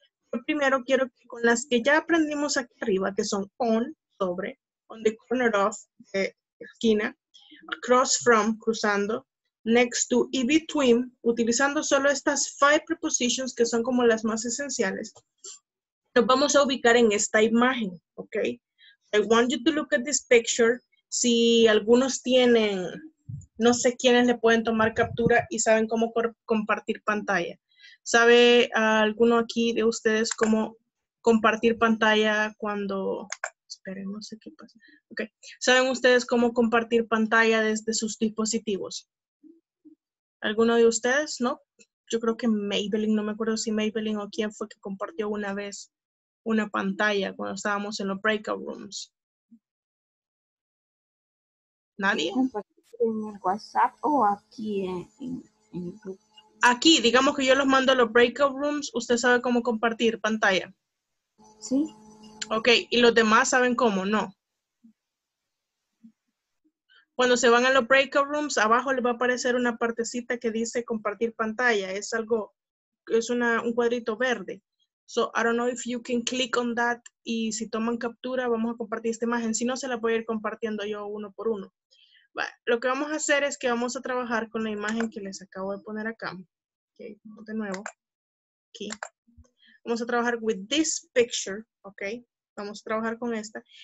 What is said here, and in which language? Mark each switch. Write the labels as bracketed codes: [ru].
[es] Pero primero quiero que con las que ya aprendimos aquí arriba, que son on, sobre, [en] on the corner of, [es] de esquina, [en] across from, [es] cruzando, [en] next to [es] y between, utilizando solo estas 5 prepositions que son como las más esenciales, nos vamos a ubicar en esta imagen, ¿ok? [en] I want you to look at this picture. [es] Si algunos tienen, no sé quiénes le pueden tomar captura y saben cómo compartir pantalla. ¿Sabe alguno aquí de ustedes cómo compartir pantalla cuando... Esperen, no sé qué pasa. Ok. ¿Saben ustedes cómo compartir pantalla desde sus dispositivos? ¿Alguno de ustedes? ¿No? Yo creo que Maybelline, no me acuerdo si Maybelline o quién fue que compartió una vez una pantalla cuando estábamos en los breakout rooms. ¿Nadie? En el WhatsApp o aquí en YouTube. Aquí, digamos que yo los mando a los breakout rooms, ¿usted sabe cómo compartir pantalla? Sí. Ok, ¿y los demás saben cómo? No. Cuando se van a los breakout rooms, abajo les va a aparecer una partecita que dice compartir pantalla. Es algo, es una, un cuadrito verde. [en] So, I don't know if you can click on that. [es] Y si toman captura, vamos a compartir esta imagen. Si no, se la voy a ir compartiendo yo uno por uno. Bueno, lo que vamos a hacer es que vamos a trabajar con la imagen que les acabo de poner acá. Ok, de nuevo. Aquí. Vamos a trabajar [en] with this picture. [es] Ok, vamos a trabajar con esta.